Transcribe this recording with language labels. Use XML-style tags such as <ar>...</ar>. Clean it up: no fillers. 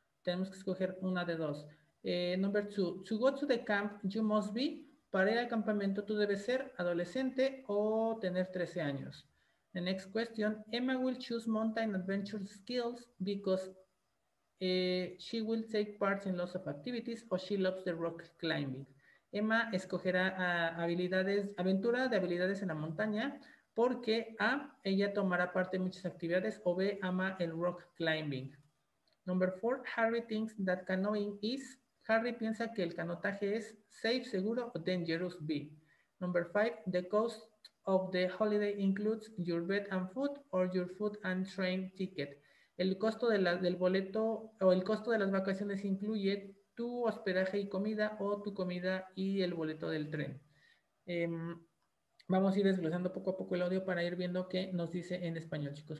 <es>Tenemos que escoger una de dos.</es> <en>Number two, to go to the camp, you must be,</en> <es>para ir al campamento, tú debes ser adolescente o tener 13 años.</es> <en>The next question, Emma will choose mountain adventure skills because she will take part in lots of activities or she loves the rock climbing.</en> <es>Emma escogerá aventura de habilidades en la montaña porque A, ella tomará parte en muchas actividades o B, ama el rock climbing.</es> <en>Number four, Harry thinks that canoeing is,</en> <es>Harry piensa que el canotaje es safe, seguro o dangerous B.</es> <en>Number five, the cost of the holiday includes your bed and food or your food and train ticket.</en> <es>El costo del boleto o el costo de las vacaciones incluye tu hospedaje y comida o tu comida y el boleto del tren. Vamos a ir desglosando poco a poco el audio para ir viendo qué nos dice en español, chicos.</es>